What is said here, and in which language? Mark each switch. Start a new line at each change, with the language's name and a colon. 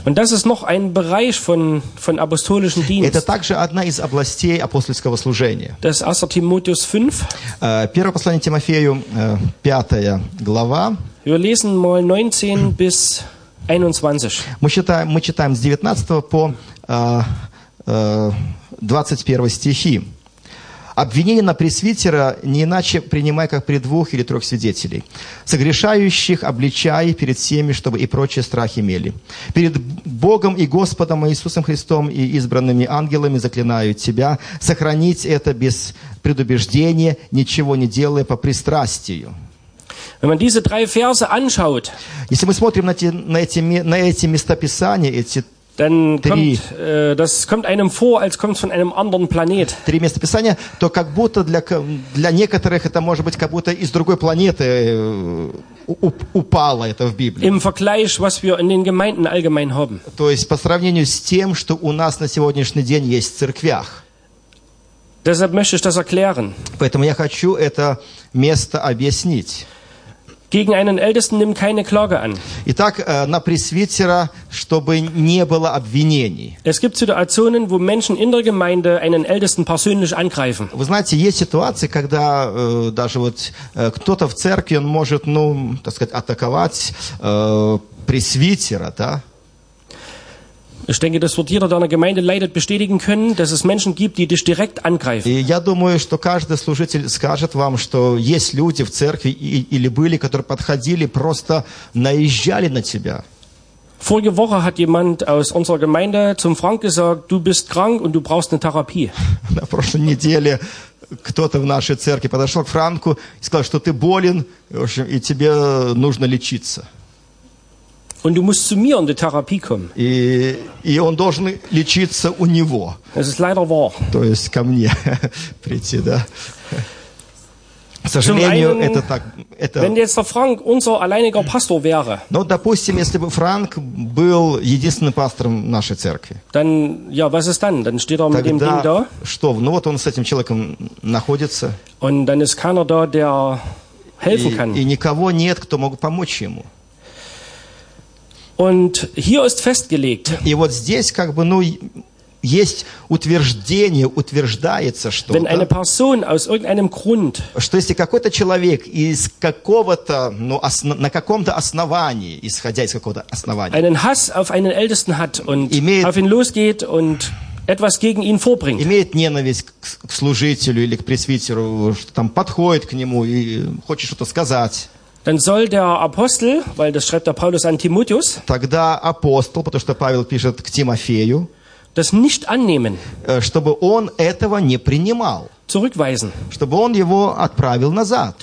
German: Und das ist noch ein Bereich von apostolischen Dienst.
Russian: Это также одна из областей апостольского служения.
German: Das ist 1. Timotheus 5.
Russian: Первое послание Тимофею, 5 глава.
German: Wir lesen mal 19 bis 21.
Russian: Мы читаем с 19 по 21 стихи. Обвинение на пресвитера не иначе принимай, как при двух или трех свидетелей. Согрешающих обличай перед всеми, чтобы и прочие страхи имели. Перед Богом и Господом Иисусом Христом и избранными ангелами заклинаю тебя сохранить это без предубеждения, ничего не делая по пристрастию.
German: Wenn man diese drei Verse anschaut,
Russian: если мы смотрим на эти места Писания, эти
German: dann kommt, das kommt einem vor, als kommt es von einem anderen Planet.
Russian: Три места Писания, то как будто для некоторых это может быть как будто из другой планеты упало это в Библии.
German: Im Vergleich, was wir in den Gemeinden allgemein haben.
Russian: То есть по сравнению с тем, что у нас на сегодняшний день есть в церквях.
German: Deshalb möchte ich das erklären.
Russian: Поэтому я хочу это место объяснить.
German: Gegen einen Ältesten nimm keine Klage an.
Russian: Итак, на пресвитера, чтобы не было обвинений.
German: Es gibt Situationen, wo Menschen in der Gemeinde einen Ältesten persönlich angreifen.
Russian: Вы знаете, есть ситуации, когда даже вот кто-то в церкви, он может, ну, так сказать, атаковать пресвитера, да?
German: Ich denke, das wird jeder, der in der Gemeinde leidet, bestätigen können, dass es Menschen gibt, die dich direkt angreifen.
Russian: Я думаю, что каждый служитель скажет вам, что есть люди в церкви или были, которые подходили просто наезжали на тебя.
German: Vorige Woche hat jemand aus unserer Gemeinde zum Frank gesagt: Du bist krank und du brauchst eine Therapie.
Russian: На прошлой неделе кто-то в нашей церкви подошел к Франку и сказал, что ты болен, в общем, и тебе нужно лечиться.
German: Und du musst zu mir in die Therapie kommen.
Russian: И он должен лечиться у него.
German: Es ist leider wahr.
Russian: То есть ко мне прийти, да? К сожалению, это так. Это...
German: Wenn jetzt der Frank unser alleiniger Pastor wäre.
Russian: Ну, допустим, если бы Франк был единственным пастором нашей церкви.
German: Dann, ja, was ist dann? Dann steht er mit dem Ding da.
Russian: Что? Ну вот он с этим человеком находится.
German: Und dann ist keiner da, der helfen kann.
Russian: И никого нет, кто мог помочь ему.
German: Und hier ist festgelegt.
Russian: И вот здесь как бы, ну, есть утверждение, утверждается, что
German: wenn eine Person aus irgendeinem Grund,
Russian: что если какой-то человек из какого-то, ну, на каком-то основании, исходя из какого-то основания,
German: einen Hass auf einen Ältesten hat und
Russian: имеет,
German: auf ihn losgeht und etwas gegen ihn vorbringt.
Russian: Имеет ненависть к служителю или к пресвитеру, что там подходит к нему и хочет что-то сказать.
German: Dann soll der Apostel, weil das schreibt der Paulus an Timotheus,
Russian: тогда апостол, потому что Павел пишет к Тимофею,
German: das nicht annehmen,
Russian: чтобы он этого не принимал,
German: zurückweisen,
Russian: чтобы он его отправил назад,